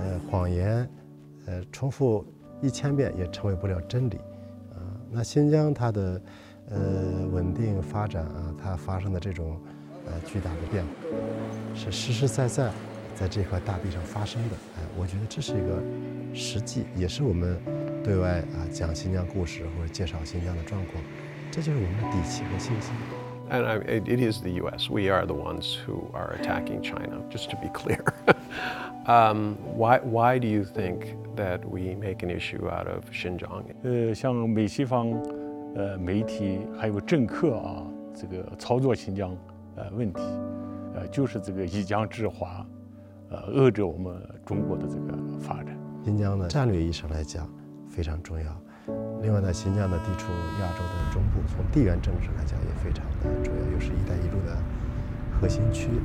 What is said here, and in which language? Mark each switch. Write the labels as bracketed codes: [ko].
[zh] 谎言，重复1000遍也成为不了真理，那新疆它的稳定发展它发生的这种巨大的变化，是实实在在在这块大地上发生的。我觉得这是一个实际，也是我们对外讲新疆故事或者介绍新疆的状况，这就是我们的底气和信心。 [en] And it is the U.S. We are the ones who are attacking China. Just to be clear, why do you think that we make an issue out of Xinjiang? [zh] 像美西方媒体还有政客这个操作新疆问题，就是这个以疆制华。遏制我们中国的这个发展。新疆的战略意义上来讲非常重要，另外呢，新疆的地处亚洲的中部，从地缘政治上来讲也非常的重要，又是一带一路的核心区。